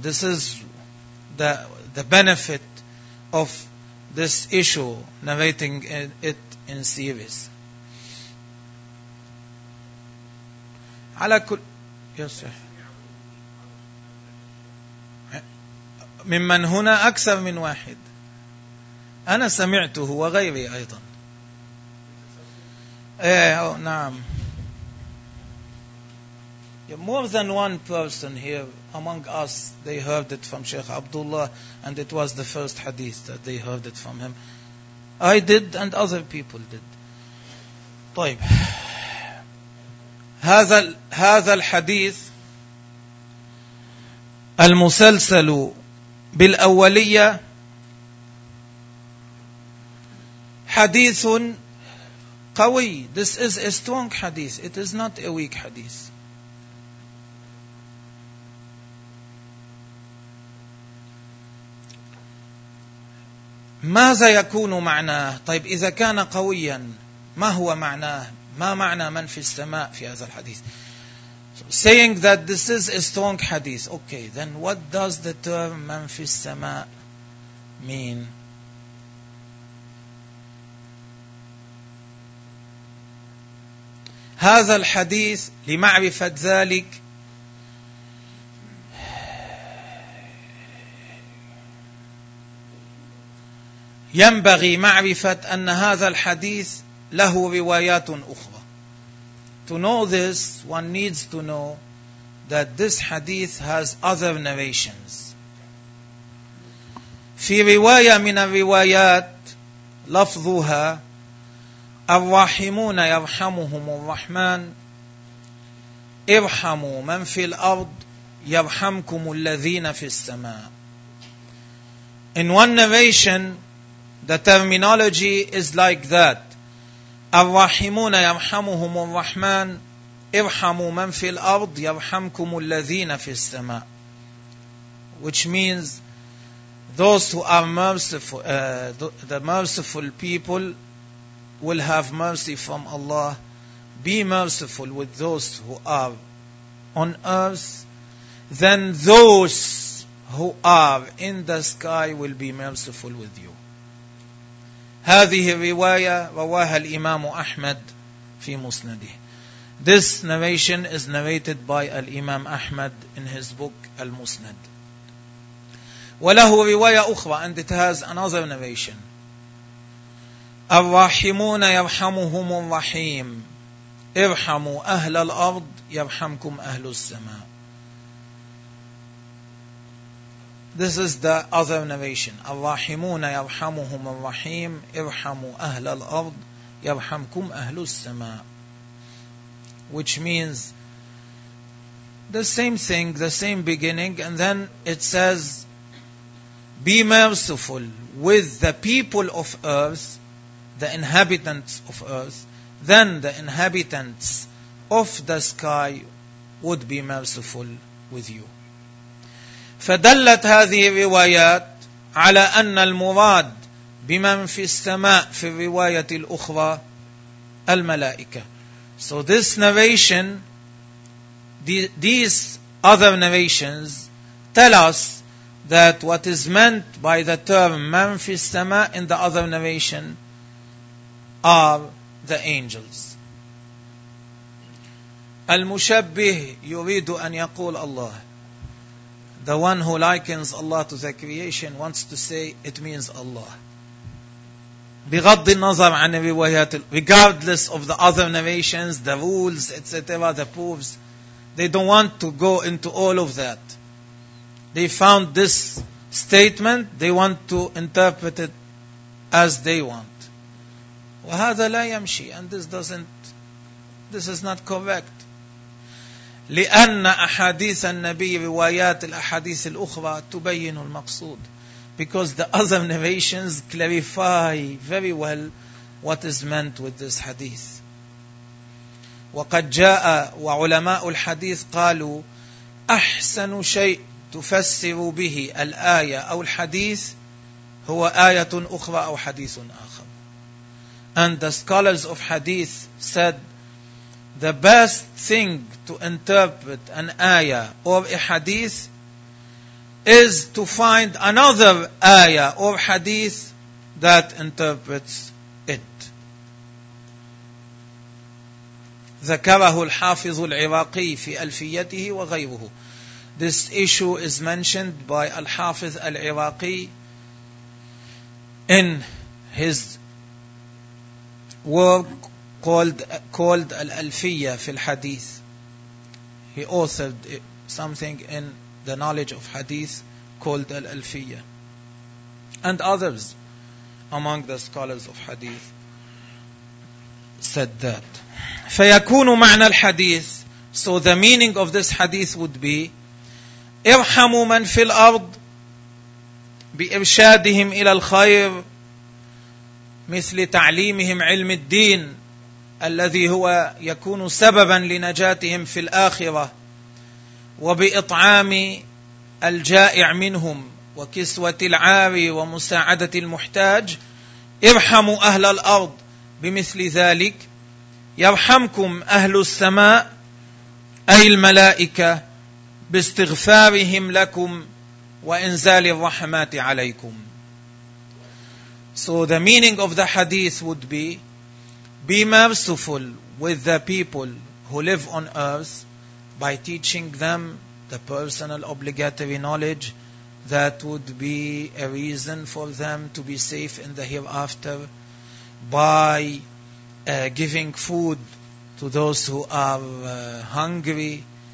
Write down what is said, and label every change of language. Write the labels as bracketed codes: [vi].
[en] This is the benefit of this issue, narrating it in series. [ar] على كل يس ممن هنا أكثر من واحد. أنا سمعته وغيري أيضا. نعم. [en] More than one person here among us, they heard it from Sheikh Abdullah, and it was the first hadith that they heard it from him. I did, and other people did. [ar] طيب. هذا الحديث المسلسل بالأولية حديث قوي. [en] This is a strong hadith. It is not a weak hadith. [ar] ماذا يكون معناه؟ طيب إذا كان قويا ما هو معناه؟ ما معنى من في السماء في هذا الحديث؟ [en] saying that this is a strong hadith. Okay, then what does the term man fi sama mean? [ar] هذا الحديث لمعرفة ذلك ينبغي معرفة أن هذا الحديث له روايات أخرى. [en] To know this, one needs to know that this hadith has other narrations. [ar] في رواية من الروايات لفظها الرحمون يرحمهم الرحمن ارحموا من في الأرض يرحمكم الذين في السماء. [en] In one narration, the terminology is like that. [ar] الرحمون يرحمهم الرحمن ارحموا من في الأرض يرحمكم الذين في السماء. [en] Which means, those who are merciful, the merciful people will have mercy from Allah. Be merciful with those who are on earth, then those who are in the sky will be merciful with you. [ar] هذه الرواية رواها الإمام أحمد في مسنده. [en] This narration is narrated by Imam Ahmad in his book Al-Musnad. [ar] وله رواية أخرى, [en] and it has another narration. [ar] الرحمون يرحمهم الرحيم ارحموا أهل الأرض يرحمكم أهل السماء. [en] This is the other narration. [ar] الرحمون يرحمهم الرحيم ارحموا أهل الأرض يرحمكم أهل السماء. [en] Which means the same thing, the same beginning, and then it says be merciful with the people of earth, the inhabitants of earth, then the inhabitants of the sky would be merciful with you. [ar] فدلت هذه الروايات على أن المراد بمن في السماء في الرواية الأخرى الملائكة. [en] So this narration, these other narrations tell us that what is meant by the term من في السماء in the other narration are the angels. [ar] المشبه يريد أن يقول الله. [en] The one who likens Allah to the creation wants to say it means Allah. [ar] بغض النظر عن الروايات, [en] regardless of the other narrations, the rules, etc., the proofs, they don't want to go into all of that. They found this statement, they want to interpret it as they want. [ar] وهذا لا يمشي, [en] and this is not correct. [ar] لأن أحاديث النبي روايات الأحاديث الأخرى تبين المقصود. [en] Because the other narrations clarify very well what is meant with this hadith. [ar] وقد جاء وعلماء الحديث قالوا أحسن شيء تفسر به الآية أو الحديث هو آية أخرى أو حديث آخر. [en] And the scholars of hadith said, the best thing to interpret an ayah or a hadith is to find another ayah or hadith that interprets it. [ar] ذكره الحافظ العراقي في ألفيته وغيره. [en] This issue is mentioned by الحافظ العراقي in his work called Al-Alfiyya fi al-Hadith. He authored something in the knowledge of Hadith called Al-Alfiyya, and others among the scholars of Hadith said that. [ar] فيكون معنى الحديث, [en] so the meaning of this Hadith would be [ar] ارحموا من في الأرض بإرشادهم إلى الخير مثل تعليمهم علم الدين الذي هو يكون سببا لنجاتهم في الآخرة وبإطعام الجائع منهم وكسوة العاري ومساعدة المحتاج. ارحموا أهل الأرض بمثل ذلك يرحمكم أهل السماء أي الملائكة باستغفارهم لكم وإنزال الرحمات عليكم. [en] So the meaning of the hadith would be merciful with the people who live on earth by teaching them the personal obligatory knowledge that would be a reason for them to be safe in the hereafter, by giving food to those who are hungry,